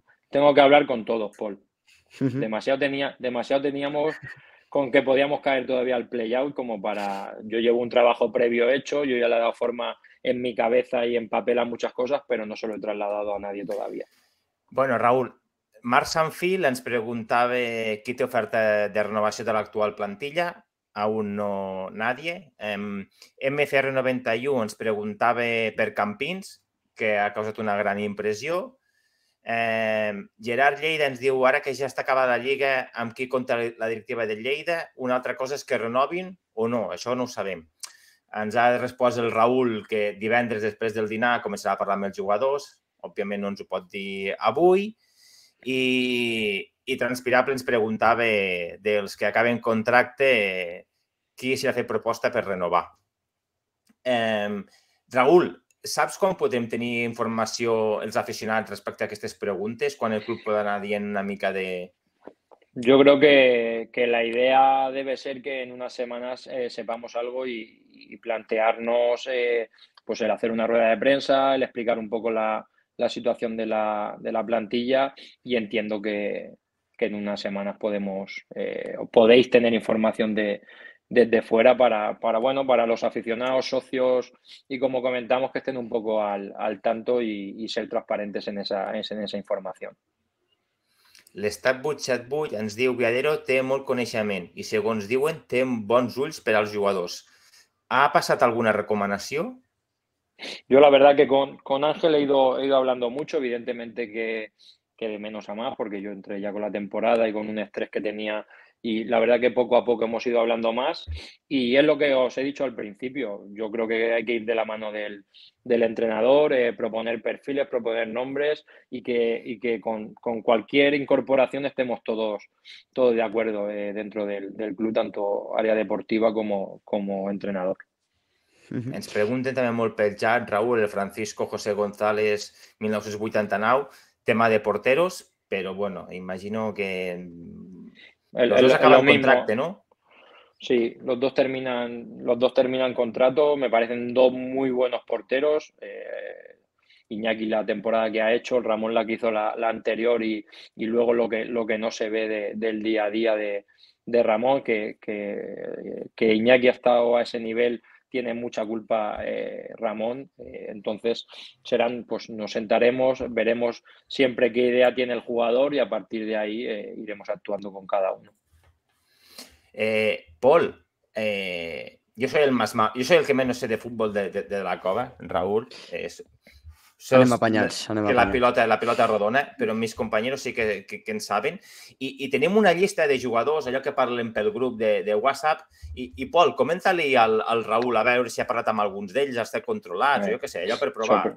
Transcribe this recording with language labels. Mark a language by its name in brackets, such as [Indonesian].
[Spanish] Tengo que hablar con todos, Paul. Demasiado teníamos con que podíamos caer todavía al play-out como para... Yo llevo un trabajo previo hecho, yo ya le he dado forma en mi cabeza y en papel a muchas cosas, pero no se lo he trasladado a nadie todavía. [Catalan] Bueno, Raúl, Marc Sanfil ens preguntava qui té oferta de renovació de l'actual plantilla. [Spanish] Aún no nadie. [Catalan] MCR91 ens preguntava per Campins, que ha causat una gran impressió. Gerard Lleida ens diu ara que ja està acabada la Lliga, amb qui compta la directiva de Lleida? Una altra cosa és que renovin o no, això no ho sabem. Ens ha respost el Raül que divendres després del dinar començarà a parlar amb els jugadors, òbviament no ens ho pot dir avui, i Transpirable ens preguntava dels que acaben contracte qui s'hi ha fet proposta per renovar. Raül, saps com podem tenir informació els aficionats respecte a aquestes preguntes? Quan el club pot anar dient una mica de... [Spanish] Yo creo que la idea debe ser que en unas semanas sepamos algo y plantearnos pues el hacer una rueda de prensa, el explicar un poco la situación de la plantilla, y entiendo que en unas semanas podéis tener información desde fuera para los aficionados, socios y, como comentamos, que estén un poco al tanto y ser transparentes en esa información. [Catalan] L'estat 878 ens diu Viadero té molt coneixement i, segons diuen, té bons ulls per als jugadors. ¿Ha passat alguna recomanació? [Spanish] Yo la verdad que con Ángel he ido hablando mucho, evidentemente que de menos a más, porque yo entré ya con la temporada y con un estrés que tenía. Y la verdad que poco a poco hemos ido hablando más, y es lo que os he dicho al principio. Yo creo que hay que ir de la mano del entrenador, proponer perfiles, proponer nombres, y que con cualquier incorporación estemos todos de acuerdo dentro del club, tanto área deportiva como entrenador. [Catalan] Ens pregunten també molt pel xat, Raúl, el Francisco José González, 1989, tema de porteros, però bueno, imagino que... [Spanish] Los dos acaban contracte, ¿no? Sí, los dos terminan contrato. Me parecen dos muy buenos porteros. Iñaki la temporada que ha hecho, Ramón la que hizo la anterior, y luego lo que no se ve del día a día de Ramón, que Iñaki ha estado a ese nivel, tiene mucha culpa Ramón. Entonces serán, pues nos sentaremos, veremos siempre qué idea tiene el jugador y a partir de ahí iremos actuando con cada uno. Paul, yo soy el que menos sé de fútbol de la cova, Raúl. [Catalan] Anem a apanyar-se. La pilota rodona, però mis companys sí que en saben. I tenim una llista de jugadors, allò que parlen pel grup de WhatsApp. I Pol, comenta-li al Raül a veure si ha parlat amb alguns d'ells, els té controlats, jo què sé, allò per provar.